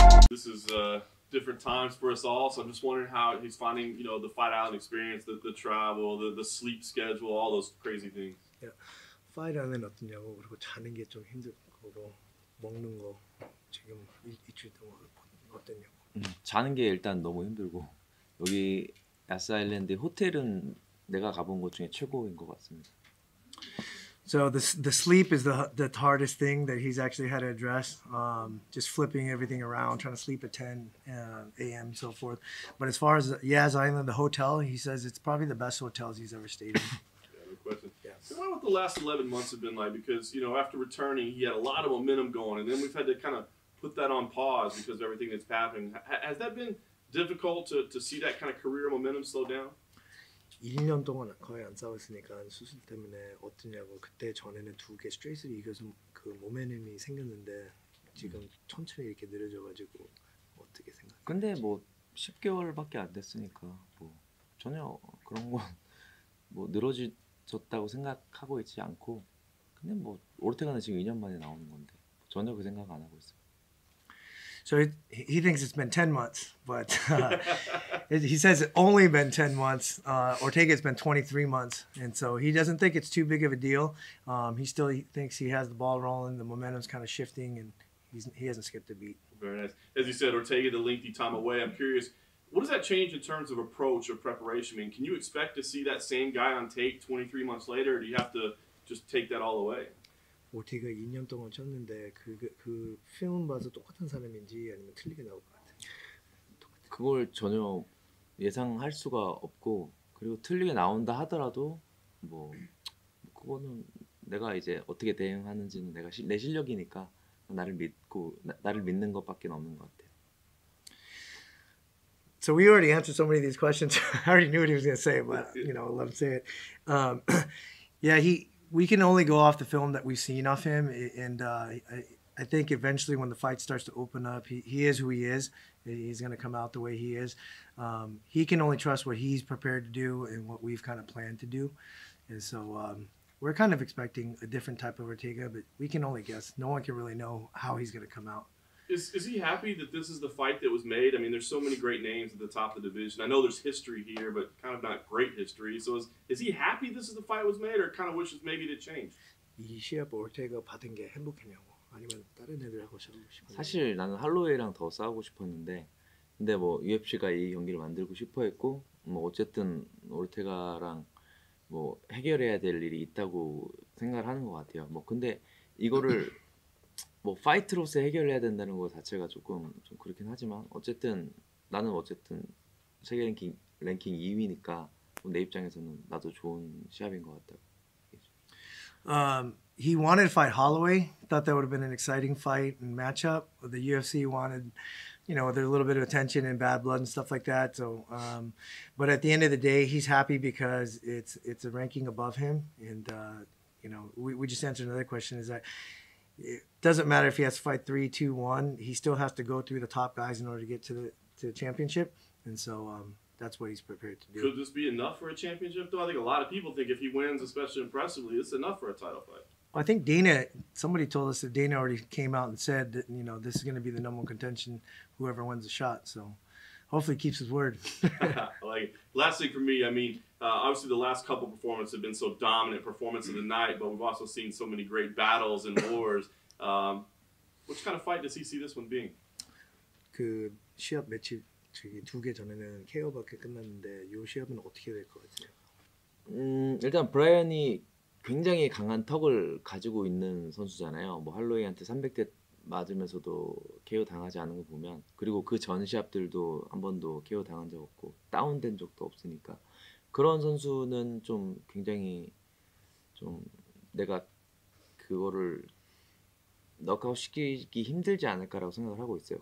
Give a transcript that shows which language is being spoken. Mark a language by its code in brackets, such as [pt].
[en] This is different times for us all, so I'm just wondering how he's finding, you know, the Fight Island experience, the travel, the sleep schedule, all those crazy things. Yeah. [ko] Fight Island 어떠냐고, 그리고 자는 게 좀 힘들 거고, 먹는 거 지금 일주일 동안 어떠냐고. 자는 게 일단 너무 힘들고, 여기 야스 아일랜드 호텔은 내가 가본 것 중에 최고인 것 같습니다. [en] So the sleep is the hardest thing that he's actually had to address. Just flipping everything around, trying to sleep at 10 a.m. and so forth. But as far as Yaz Island, the hotel, he says it's probably the best hotels he's ever stayed in. Yeah, no question. Yes. So what the last 11 months have been like? Because, you know, after returning, he had a lot of momentum going, and then we've had to kind of put that on pause because of everything that's happened. Has that been difficult to see that kind of career momentum slow down? [ko] 1년 동안 거의 안 싸웠으니까 수술 때문에 어떠냐고 그때 전에는 두 개 스트레스를 이겨서 그 모멘텀이 생겼는데 지금 천천히 이렇게 느려져가지고 어떻게 생각해? 근데 뭐 10개월밖에 안 됐으니까 뭐 전혀 그런 건 뭐 늘어졌다고 생각하고 있지 않고 근데 뭐 오르테가는 지금 2년 만에 나오는 건데 전혀 그 생각 안 하고 있어. [en] So he thinks it's been 10 months, but he says it's only been 10 months. Ortega's been 23 months, and so he doesn't think it's too big of a deal. He still thinks he has the ball rolling, the momentum's kind of shifting, and he hasn't skipped a beat. Very nice. As you said, Ortega, the lengthy time away, I'm curious, what does that change in terms of approach or preparation? I mean, can you expect to see that same guy on tape 23 months later, or do you have to just take that all away? [ko] 오티가 2년 동안 쳤는데 그 필름 봐서 똑같은 사람인지 아니면 틀리게 나올 것 같아. 그걸 전혀 예상할 수가 없고 그리고 틀리게 나온다 하더라도 뭐 그거는 내가 이제 어떻게 대응하는지는 내가 내 실력이니까 나를 믿고 나를 믿는 것밖에 없는 것 같아. [en] So we already answered so many of these questions. I already knew what he was going to say, but you know, I love to say it. Yeah, we can only go off the film that we've seen of him, and I think eventually when the fight starts to open up, he is who he is. He's going to come out the way he is. He can only trust what he's prepared to do and what we've kind of planned to do. And so we're kind of expecting a different type of Ortega, but we can only guess. No one can really know how he's going to come out. Is he happy that this is the fight that was made? I mean, there's so many great names at the top of the division. I know there's history here, but kind of not great history. So is he happy this is the fight was made, or kind of wishes maybe it had changed? [ko] 이 시합 오르테가 받은 게 행복했냐고 아니면 다른 애들하고 싸우고 싶었냐고. 사실 나는 할로웨이랑 더 싸우고 싶었는데 근데 뭐 UFC가 이 경기를 만들고 싶어했고 뭐 어쨌든 오르테가랑 뭐 해결해야 될 일이 있다고 생각을 하는 것 같아요. 뭐 근데 이거를 뭐 파이트로서 해결해야 된다는 거 자체가 조금 좀 그렇긴 하지만 어쨌든 나는 어쨌든 세계 랭킹 2위니까 내 입장에서는 나도 좋은 시합인 것 같다고. [en] He wanted to fight Holloway. Thought that would have been an exciting fight and matchup. The UFC wanted, you know, there's a little bit of attention and bad blood and stuff like that. So, but at the end of the day, he's happy because it's a ranking above him. And you know, we just answered another question. Is that it doesn't matter if he has to fight 3-2-1, he still has to go through the top guys in order to get to the championship, and so that's what he's prepared to do. Could this be enough for a championship, though? I think a lot of people think if he wins, especially impressively, it's enough for a title fight. I think somebody told us that Dana already came out and said that, you know, this is going to be the number one contention, whoever wins the shot, so hopefully he keeps his word. Like, last thing for me, I mean, obviously the last couple performances have been so dominant performance of the night, but we've also seen so many great battles and wars. Which kind of fight does he see this one being? [ko] 그 시합 매치 두 개 전에는 KO밖에 끝났는데 요 시합은 어떻게 될 것 같아요? 일단 브라이언이 굉장히 강한 턱을 가지고 있는 선수잖아요. 뭐 할로웨이한테 300대 맞으면서도 KO 당하지 않은 거 보면 그리고 그 전 시합들도 한 번도 KO 당한 적 없고 다운된 적도 없으니까 그런 선수는 좀 굉장히 좀 내가 그거를 넉아웃 시키기 힘들지 않을까라고 생각을 하고 있어요.